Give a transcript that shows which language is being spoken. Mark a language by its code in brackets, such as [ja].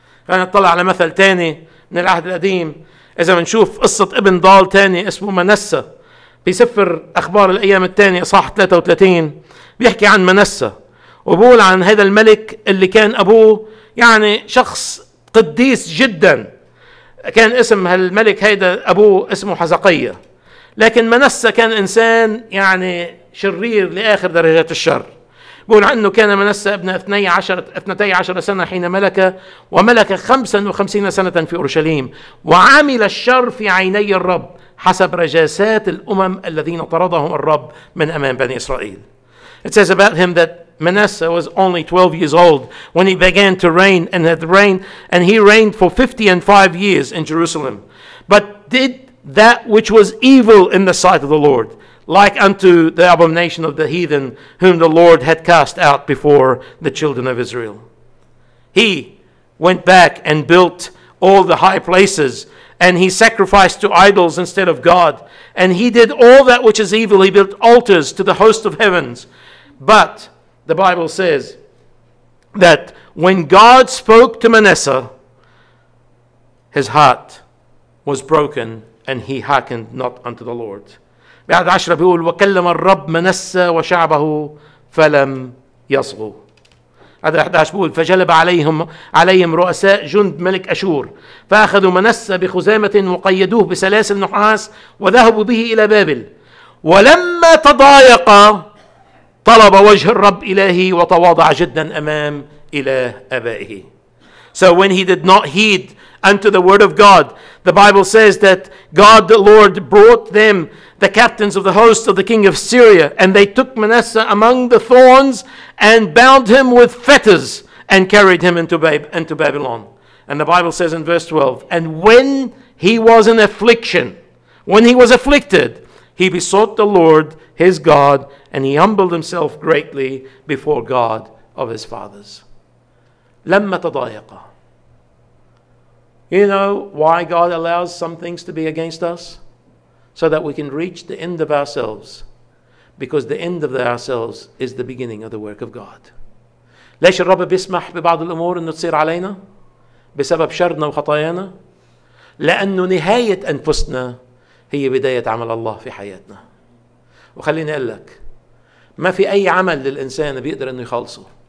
[ar] أنا أطلع على مثل تاني من العهد القديم، إذا منشوف قصة ابن ضال تاني اسمه منسة في سفر أخبار الأيام الثانية صح 33، بيحكي عن منسة وبقول عن هذا الملك اللي كان أبوه يعني شخص قديس جدا، كان اسم هالملك هيدا أبوه اسمه حزقية، لكن منسة كان إنسان يعني شرير لآخر درجات الشر. بقول عنه كان منسة ابن 12 سنة حين ملك، وملك 55 سنة في أورشليم، وعمل الشر في عيني الرب حسب رجاسات الأمم الذين طردهم الرب من أمام بني إسرائيل. [en] It says about him that Manasseh was only 12 years old when he began to reign and had reigned, and he reigned for 55 years in Jerusalem, but did that which was evil in the sight of the Lord, like unto the abomination of the heathen whom the Lord had cast out before the children of Israel. He went back and built all the high places, and he sacrificed to idols instead of God, and he did all that which is evil. He built altars to the host of heavens. But the Bible says that when God spoke to Manasseh, his heart was broken and he hearkened not unto the Lord. [ar] بعد عشرة بيقول وكلم الرب منسّى وشعبه فلم يصغوا. بعد 11 بيقول فجلب عليهم رؤساء جند ملك أشور، فأخذوا منسّى بخزامة وقيدوه بسلاسل نحاس وذهبوا به إلى بابل. ولما تضايق طلب وجه الرب إلهي وتواضع جدا أمام إله أبائه. [en] So when he did not heed unto the word of God, the Bible says that God the Lord brought them the captains of the host of the king of Syria, and they took Manasseh among the thorns and bound him with fetters and carried him into Babylon. And the Bible says in verse 12, and when he was in affliction, when he was afflicted, he besought the Lord his God, and he humbled himself greatly before God of his fathers. [ar] لما تضايق. [en] You know why God allows some things to be against us? So that we can reach the end of ourselves. Because the end of ourselves is the beginning of the work of God. [ar] ليش الرب بيسمح ببعض الأمور أنه تصير علينا؟ بسبب شرنا وخطايانا؟ لأنه نهاية أنفسنا هي بداية عمل الله في حياتنا. وخليني أقول لك، ما في أي عمل للإنسان بيقدر أنه يخلصه.